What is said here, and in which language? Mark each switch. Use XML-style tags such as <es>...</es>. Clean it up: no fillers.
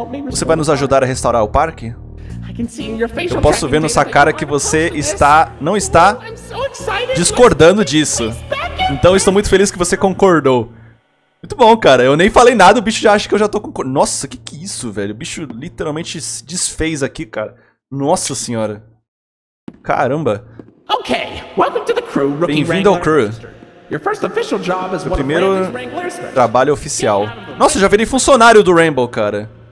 <pt>Você vai nos ajudar a restaurar o parque? Eu posso ver nessa cara que você está... não está... discordando disso. Então estou muito feliz que você concordou. Muito bom, cara. Eu nem falei nada, o bicho já acha que eu já tô com... Nossa, que é isso, velho? O bicho literalmente se desfez aqui, cara. Nossa senhora. Caramba.</pt> <en>Okay. Welcome to the crew, rookie.</en> <pt>Bem-vindo ao crew.</pt> <en>Your first official job is</en> <pt>meu primeiro trabalho oficial. Nossa, já virei funcionário do Rainbow, cara.</pt>